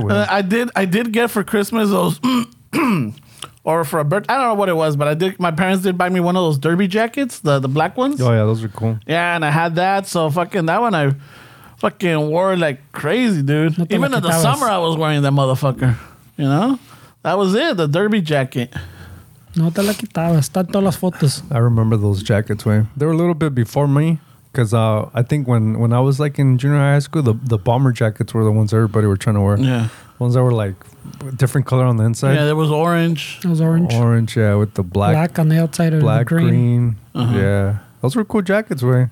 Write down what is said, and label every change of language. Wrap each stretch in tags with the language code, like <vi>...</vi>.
<en>I did get for Christmas those, or for a birthday, I don't know what it was, but I did, my parents did buy me one of those derby jackets, the black ones. Oh yeah, those are cool. Yeah, and I had that. So fucking that one, I fucking wore like crazy, dude. Even in the summer, I was wearing that motherfucker. You know? That was it, the derby jacket.</en> <es>No te la quitabas, están todas las fotos.</es> <en>I remember those jackets, man. They were a little bit before me, because I think when I was like in junior high school, the bomber jackets were the ones everybody were trying to wear. Yeah. Ones that were like different color on the inside. Yeah, there was orange. It was orange. Orange, yeah, with the black. Black on the outside of black, the green. Black, green. Uh-huh. Yeah. Those were cool jackets, man.</en>